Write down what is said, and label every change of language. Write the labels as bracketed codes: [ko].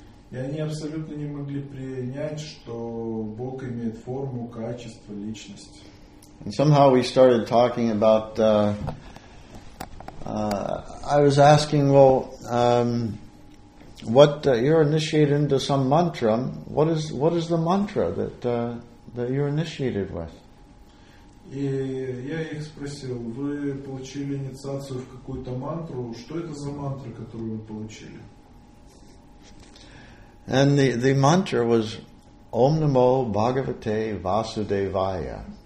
[ru] И они абсолютно не могли принять, что Бог имеет форму, качество, личность. [en] And somehow we started talking about. I was asking, well, what you're initiated into some mantra? What is the mantra that you're initiated with? [ru] И я их спросил, вы получили инициацию в какую-то мантру, что это за мантра, которую вы получили? [en] And the mantra was [sa] Om Namo Bhagavate Vasudevaya.